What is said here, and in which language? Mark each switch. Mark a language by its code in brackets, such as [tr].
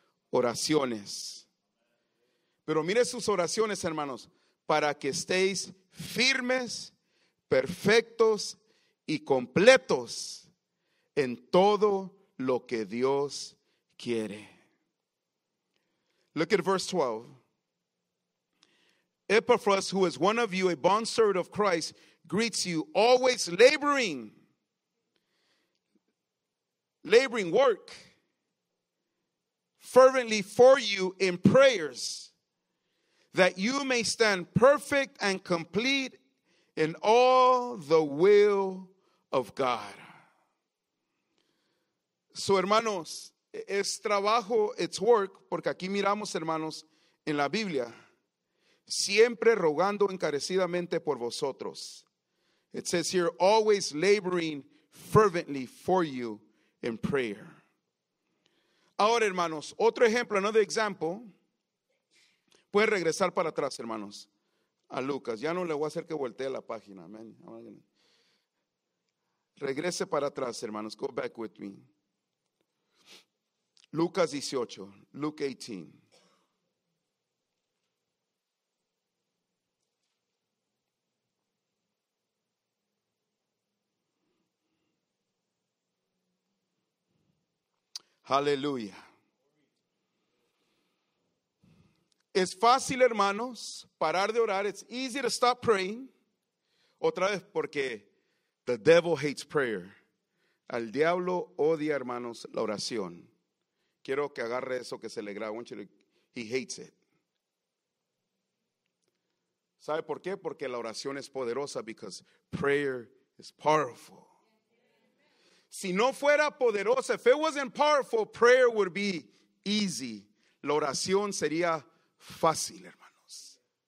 [es] Oraciones. Pero mire sus oraciones, hermanos, para que estéis firmes, perfectos y completos en todo lo que Dios quiere. [en] Look at verse 12. Epaphras, who is one of you, a bondservant of Christ, greets you, always laboring. Laboring, work. Fervently for you in prayers, that you may stand perfect and complete in all the will of God. [es] So, hermanos, es trabajo, [en] it's work, [es] porque aquí miramos, hermanos, en la Biblia, siempre rogando encarecidamente por vosotros. [en] It says here, always laboring fervently for you in prayer. [es] Ahora, hermanos, otro ejemplo, [en] another example. [es] Puede regresar para atrás, hermanos, a Lucas. Ya no le voy a hacer que voltee la página. Amen. Regrese para atrás, hermanos. [en] Go back with me. [es] Lucas 18, Luke 18. Hallelujah. Es fácil, hermanos, parar de orar. [en] It's easy to stop praying. [es] Otra vez, porque [en] the devil hates prayer. [es] Al diablo odia, hermanos, la oración. Quiero que agarre eso que se le graba. [en] He hates it. [es] ¿Sabe por qué? Porque la oración es poderosa. [en] Because prayer is powerful. [es] Si no fuera poderosa, [en] if it wasn't powerful, prayer would be easy. [es] La oración sería fácil, hermanos.